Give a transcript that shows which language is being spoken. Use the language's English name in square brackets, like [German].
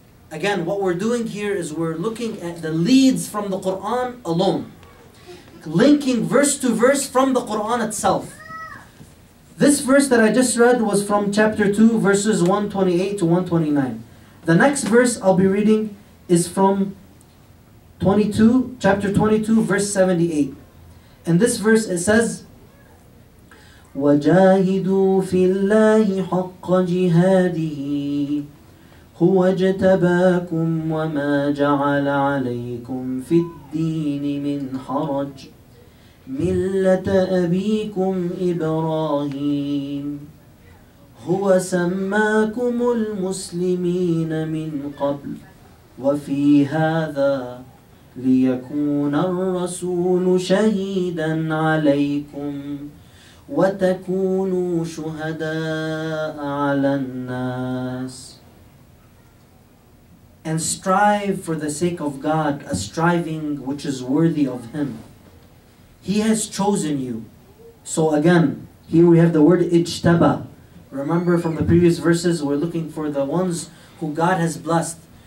[English] Again, what we're doing here is we're looking at the leads from the Quran alone, linking verse to verse from the Quran itself. This verse that I just read was from chapter 2, verses 128 to 129. The next verse I'll be reading is from 22, chapter 22, verse 78. And this verse, it says, [Arabic] وَجَاهِدُوا فِي اللَّهِ حَقَّ جِهَادِهِ هُوَ اجْتَبَاكُمْ وَمَا جَعَلَ عَلَيْكُمْ فِي الدِّينِ مِنْ حَرَجٍ مِلَّةَ أَبِيكُمْ إِبْرَاهِيمَ هُوَ سَمَّاكُمُ الْمُسْلِمِينَ مِنْ قَبْلُ وَفِي هَذَا لِيَكُونَ الرَّسُولُ شَهِيدًا عَلَيْكُمْ وَتَكُونُوا شُهَدَاءَ عَلَى النَّاسِ. [English] And strive for the sake of God, a striving which is worthy of Him. He has chosen you. So again, here we have the word ijtaba. Remember from the previous verses, we're looking for the ones who God has blessed.